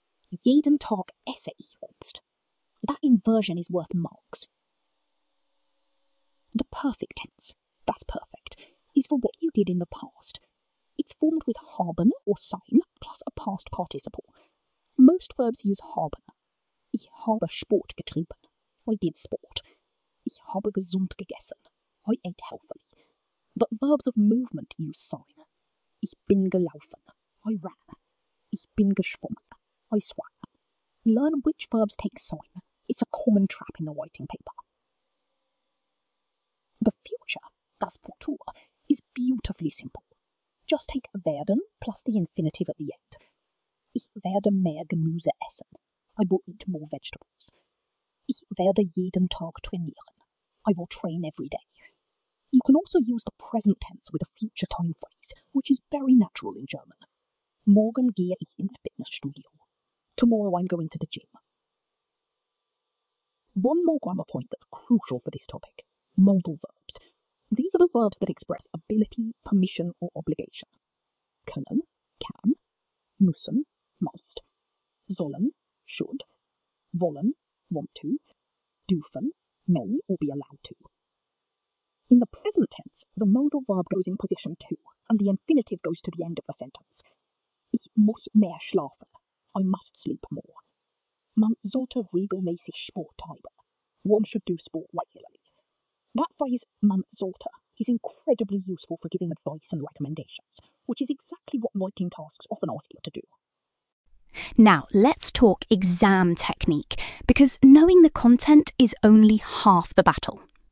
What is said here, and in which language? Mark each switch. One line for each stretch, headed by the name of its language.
German: Jeden Tag esse ich Obst.
English: That inversion is worth marks. The perfect tense, that's perfect, is for what you did in the past. it's formed with haben or sein plus a past participle. Most verbs use haben.
German: Ich habe Sport getrieben.
English: I did sport.
German: Ich habe gesund gegessen.
English: I ate healthily. But verbs of movement use sein.
German: Ich bin gelaufen.
English: I ran.
German: Ich bin geschwommen.
English: I swam. Learn which verbs take sein. It's a common trap in the writing paper. The future, das Futur, is beautifully simple. Just take werden plus the infinitive at the end.
German: Ich werde mehr Gemüse essen.
English: I will eat more vegetables.
German: Ich werde jeden Tag trainieren.
English: I will train every day. You can also use the present tense with a future time phrase, which is very natural in German.
German: Morgen gehe ich ins Fitnessstudio.
English: Tomorrow I'm going to the gym. One more grammar point that's crucial for this topic. Modal verbs. These are the verbs that express ability, permission, or obligation. Können, can, müssen, must, sollen, should, wollen, want to, dürfen, may, or be allowed to. In the present tense, the modal verb goes in position 2, and the infinitive goes to the end of the sentence.
German: Ich muss mehr schlafen.
English: I must sleep more.
German: Man sollte regelmäßig Sport treiben.
English: One should do sport regularly. That phrase, man sollte, is incredibly useful for giving advice and recommendations, which is exactly what writing tasks often ask you to do. Now, let's talk exam technique, because knowing the content is only half the battle.